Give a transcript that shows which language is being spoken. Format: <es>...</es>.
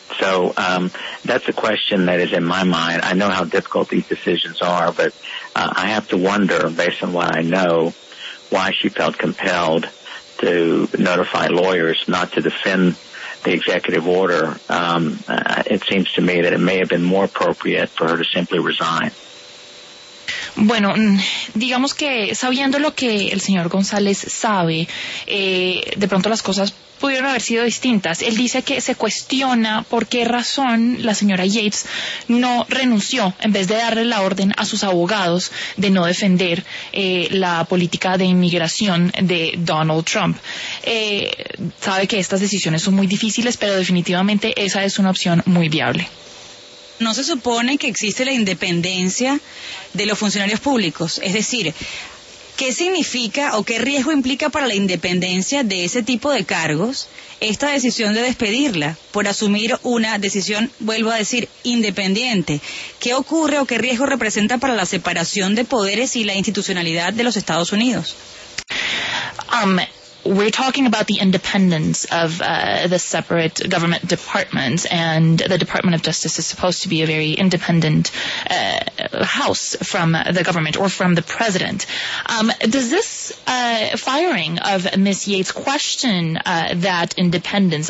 <en>So that's a question that is in my mind. I know how difficult these decisions are, but I have to wonder, based on what I know, why she felt compelled to notify lawyers not to defend the executive order. It seems to me that it may have been more appropriate for her to simply resign.</en> <es>Bueno, digamos que sabiendo lo que el señor González sabe, de pronto las cosas pudieron haber sido distintas. Él dice que se cuestiona por qué razón la señora Yates no renunció en vez de darle la orden a sus abogados de no defender la política de inmigración de Donald Trump. Sabe que estas decisiones son muy difíciles, pero definitivamente esa es una opción muy viable. No se supone que existe la independencia de los funcionarios públicos. Es decir, ¿qué significa o qué riesgo implica para la independencia de ese tipo de cargos esta decisión de despedirla por asumir una decisión, vuelvo a decir, independiente? ¿Qué ocurre o qué riesgo representa para la separación de poderes y la institucionalidad de los Estados Unidos?</es> <en>We're talking about the independence of the separate government departments, and the Department of Justice is supposed to be a very independent house from the government or from the president. Does this firing of Ms. Yates question that independence?</en>